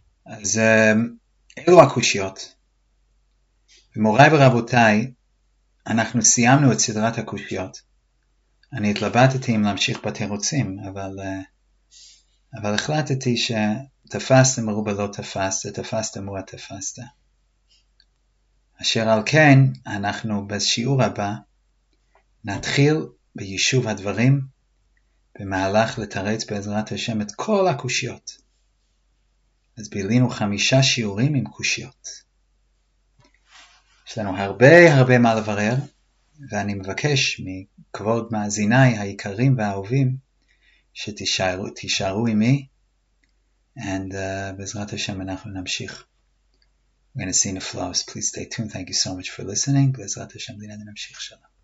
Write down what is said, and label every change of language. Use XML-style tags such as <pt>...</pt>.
<he>As Elu HaKushiyot V'moray v'rabotai Anachnu siyamnu et sidrat HaKushiyot Ani etlabatati im lamshich b'terutzim אבל החלטתי שתפסת מרובה לא תפסת, תפסת מועה תפסת. אשר על כן, אנחנו בשיעור הבא נתחיל ביישוב הדברים, במהלך לתרץ בעזרת השם את כל הקושיות. אז בילינו 5 שיעורים עם קושיות. יש לנו הרבה הרבה מה לברר, ואני מבקש מכבוד מאזיני היקרים והאהובים, שתישארו עימי, and בעזרת השם אנחנו נמשיך.</he> <en>We're going to see the flowers. Please stay tuned. Thank you so much for listening.</en> <he>בעזרת השם, לינה, נמשיך שלום.</he>